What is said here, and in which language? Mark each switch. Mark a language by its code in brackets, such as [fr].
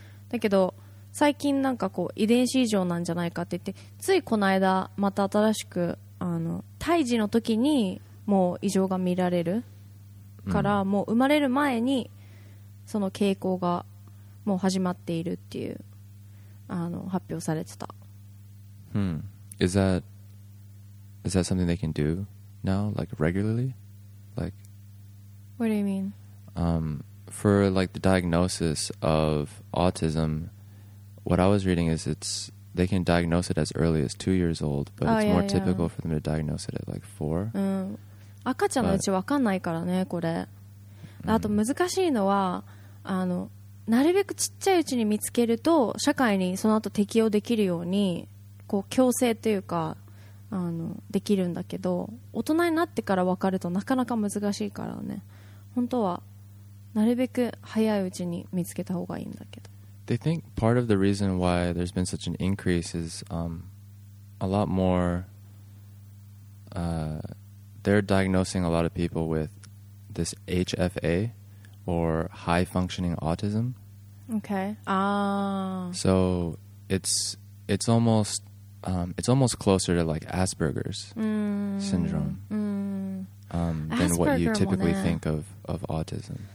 [ja] だけど最近なんかこう遺伝子異常なんじゃないかって言って、ついこの間また新しくあの胎児の時にもう異常が見られるから、うん、もう生まれる前にその傾向がもう始まっているっていうあの発表されてた。 [en] Is that something they can do now, like regularly? Like, what do you mean? For like the diagnosis of autism, what I was reading is it'sThey can diagnose it as early as 2 years old, but it's more typical for them to diagnose it at like 4. [ja] 赤ちゃんのうち分かんないからね、これ。あと難しいのは、あの、なるべくちっちゃいうちに見つけると、社会にその後適応できるように、こう強制というか、あの、できるんだけど、大人になってから分かるとなかなか難しいからね。本当は、なるべく早いうちに見つけた方がいいんだけど。 [en] They think part of the reason why there's been such an increase is a lot more, they're diagnosing a lot of people with this HFA or high functioning autism. Okay. So it's almost closer to like Asperger's syndrome than what you typically think of autism.